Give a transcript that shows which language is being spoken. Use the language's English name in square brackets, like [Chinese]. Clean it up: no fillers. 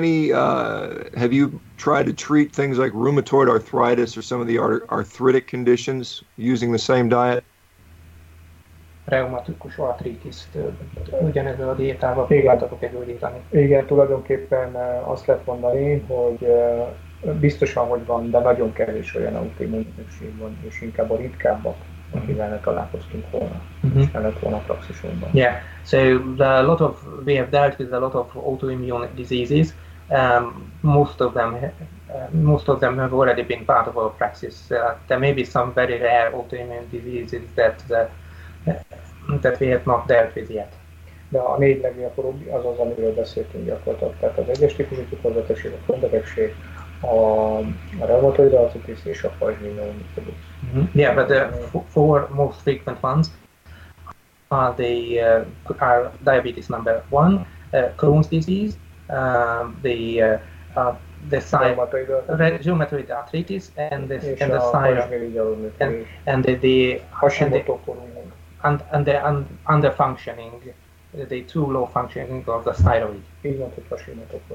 [English] Have you tried to treat things like rheumatoid arthritis or some of the arthritic conditions using the same diet? [Hungarian] Reumatikus artritiszt, ugyanezzel a diétával próbáltatok-e gyógyítani? Igen, tulajdonképpen azt lehet mondani, hogy biztosan, hogy van, de nagyon kevés olyan autoimmun betegség van, és inkább a ritkábbak, akivel ne találkoztunk volna, és ne lett volna a praxisunkban. [English] Yeah, so a lot of, we have dealt with a lot of autoimmune diseases. Most of them have already been part of our praxis. There may be some very rare autoimmune diseases that we have not dealt with yet. [Hungarian] De a négy legjobb az az, amiről beszéltünk gyakorlatilag. Tehát az egyes típusú cukorbetegség, a krónbetegség, a reumatoid arthritis és a pajzsmirigy. [English] Yeah, but the four most frequent ones are the diabetes number one, Crohn's disease, rheumatoid arthritis, and the underfunctioning, the too low functioning of the thyroid.